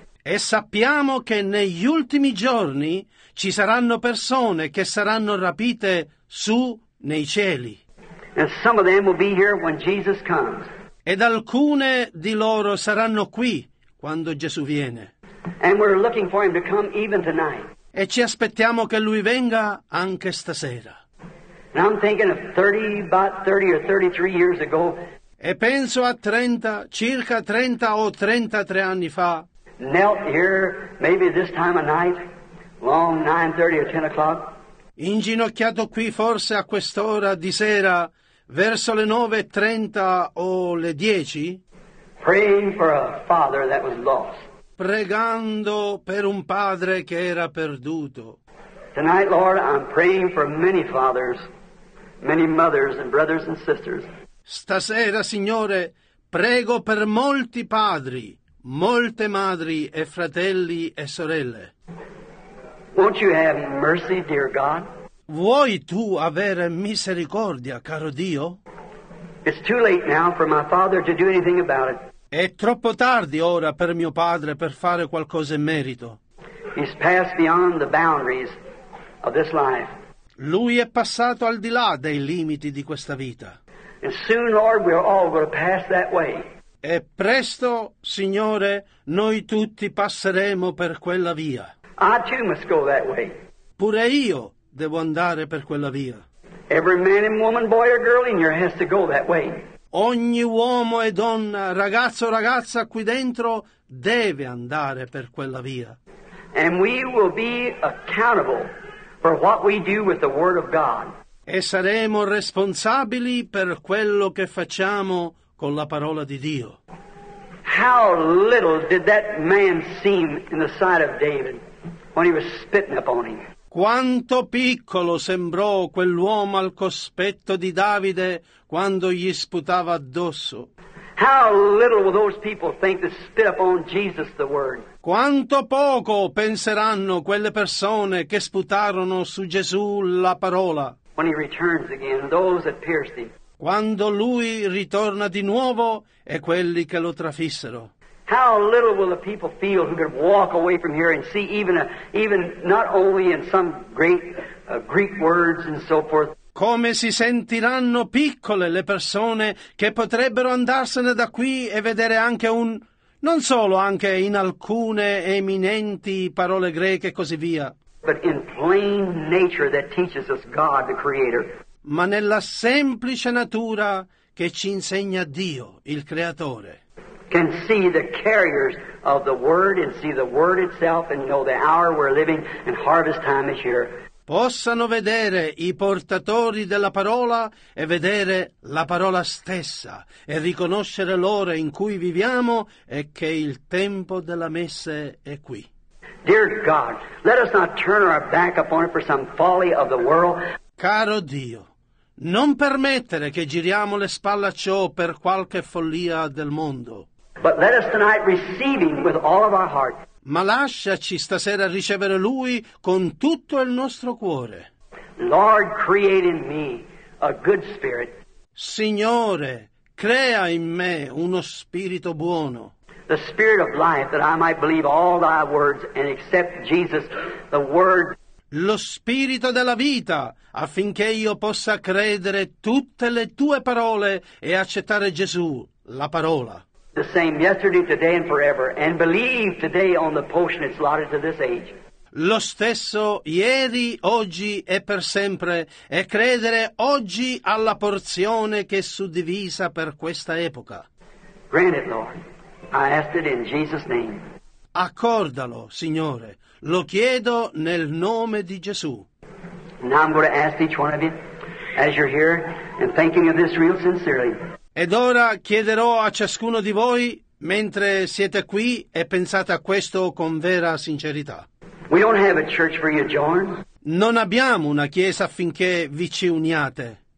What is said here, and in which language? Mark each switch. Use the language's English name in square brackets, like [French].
[Italian] E sappiamo che negli ultimi giorni ci saranno persone che saranno rapite su nei cieli. [English] And some of them will be here when Jesus comes. [Italian] Ed alcune di loro saranno qui quando Gesù viene. [English] And we're looking for him to come even tonight. [Italian] E ci aspettiamo che lui venga anche stasera. [English] And I'm thinking of 33 years ago. [Italian] E penso a 30, circa 30 o 33 anni fa. [English] Knelt here, maybe this time of night, long 9:30 or 10 o'clock. [Italian] Inginocchiato qui forse a quest'ora di sera, verso le 9:30 o le 10. [English] Praying for a father that was lost. [Italian] Pregando per un padre che era perduto. [English] Tonight, Lord, I'm praying for many fathers, many mothers and brothers and sisters. [Italian] Stasera, Signore, prego per molti padri, molte madri e fratelli e sorelle. [English] Won't you have mercy, dear God? [Italian] Vuoi tu avere misericordia, caro Dio? [English] It's too late now for my father to do anything about it. [Italian] È troppo tardi ora per mio padre per fare qualcosa in merito. [English] He's passed beyond the boundaries of this life. [Italian] Lui è passato al di là dei limiti di questa vita. [English] And soon, Lord, we're all going to pass that way. [Italian] E presto, Signore, noi tutti passeremo per quella via. [English] I too must go that way. [Italian] Pure io devo andare per quella via. [English] Every man and woman, boy or girl in here has to go that way. [Italian] Ogni uomo e donna, ragazzo o ragazza qui dentro deve andare per quella via. [English] and we will be accountable for what we do with the Word of God. [Italian] E saremo responsabili per quello che facciamo con la parola di Dio. [English] How little did that man seem in the sight of David when he was spitting upon him? [Italian] Quanto piccolo sembrò quell'uomo al cospetto di Davide quando gli sputava addosso. [English] How little will those people think to spit upon Jesus the Word? [Italian] Quanto poco penseranno quelle persone che sputarono su Gesù la parola? [English] When he returns again, those that pierced him. [Italian] Quando lui ritorna di nuovo e quelli che lo trafissero. [English] How little will the people feel who could walk away from here and see even not only in some great Greek words and so forth. [Italian] Come si sentiranno piccole le persone che potrebbero andarsene da qui e vedere anche un, non solo anche in alcune eminenti parole greche e così via. [English] But in plain nature that teaches us God the Creator. [Italian] Ma nella semplice natura che ci insegna Dio, il Creatore. [English] Can see the carriers of the Word and see the Word itself and know the hour we're living and harvest time is here. [Italian] Possano vedere i portatori della parola e vedere la parola stessa e riconoscere l'ora in cui viviamo e che il tempo della messe è qui. [English] Dear God, let us not turn our back upon it for some folly of the world. [Italian] Caro Dio, non permettere che giriamo le spalle a ciò per qualche follia del mondo. [English] But let us tonight receive him with all of our heart. [Italian] Ma lasciaci stasera ricevere Lui con tutto il nostro cuore. [English] Lord, create in me a good spirit. [Italian] Signore, crea in me uno spirito buono. [English] The spirit of life that I might believe all thy words and accept Jesus, the word. [Italian] Lo spirito della vita, affinché io possa credere tutte le tue parole e accettare Gesù, la parola. [English] The same yesterday, today, and forever, and believe today on the portion that's allotted to this age. [Italian] Lo stesso ieri, oggi e per sempre, e credere oggi alla porzione che è suddivisa per questa epoca. [English] Grant it, Lord. I ask it in Jesus' name. [Italian] Accordalo, Signore. Lo chiedo nel nome di Gesù. [English] Now I'm going to ask each one of you, as you're here, and thinking of this real sincerely. [Italian] Ed ora chiederò a ciascuno di voi, mentre siete qui, e pensate a questo con vera sincerità. [English] We don't have a church for you to join. [Italian] Non abbiamo una chiesa affinché vi ci uniate.